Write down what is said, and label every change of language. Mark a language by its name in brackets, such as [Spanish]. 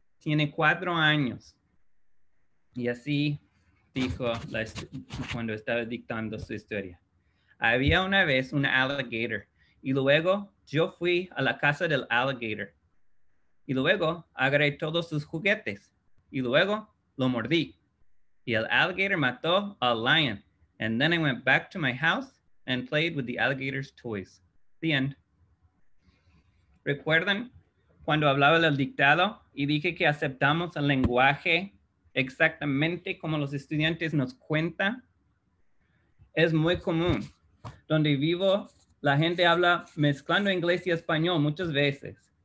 [Spanish] Tiene 4 años. Y así dijo cuando estaba dictando su historia. Había una vez un alligator. Y luego yo fui a la casa del alligator. Y luego agarré todos sus juguetes. Y luego lo mordí. Y el alligator mató al lion. [English] And then I went back to my house and played with the alligator's toys. The end. [Spanish] ¿Recuerdan cuando hablaba del dictado y dije que aceptamos el lenguaje exactamente como los estudiantes nos cuentan? Es muy común. Donde vivo, la gente habla mezclando inglés y español muchas veces.